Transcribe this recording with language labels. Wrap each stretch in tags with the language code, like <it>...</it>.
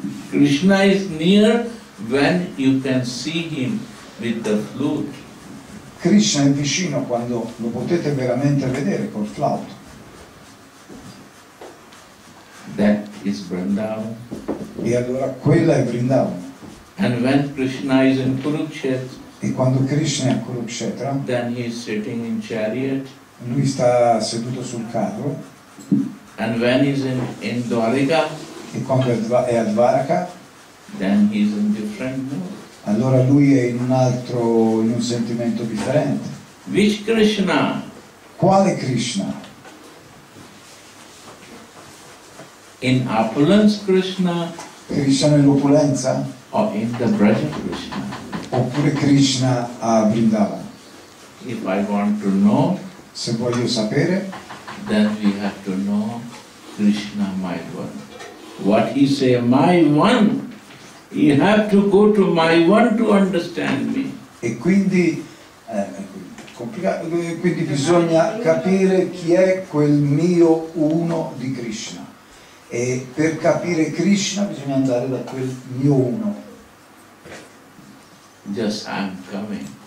<en>Krishna is near when you can see him with the flute.</en> <it>Krishna è vicino quando lo potete veramente vedere col flauto.</it> <en>That is Vrindavan.</en> <it>E allora quella è Vrindavan.</it> <en>And when Krishna is in Kurukshetra.</en> <it>E quando Krishna è a Kurukshetra.</it> <en>Then he is sitting in chariot.</en> <it>Lui sta seduto sul carro.</it> <en>And when he's in Dvaraka,</en> <it>e quando è a Dvaraka,</it> <en>then he's in different mood.</en> <it>Allora lui è in un altro, in un sentimento differente.</it> <en>Which Krishna?</en> <it>Quale Krishna?</it> <en>In opulence Krishna?</en> <it>Krishna nell'opulenza?</it> <en>O in the Braja Krishna?</en> <it>Oppure Krishna a Vrindavan?</it> <en>If I want to know,</en> <it>se voglio sapere,</it> <en>then we have to know Krishna, my one. What he say, my one? You have to go to my one to understand me.</en> <it>E quindi, complicato, quindi bisogna capire chi è quel mio uno di Krishna. E per capire Krishna bisogna andare da quel mio uno.</it> <en>Just I'm coming.</en>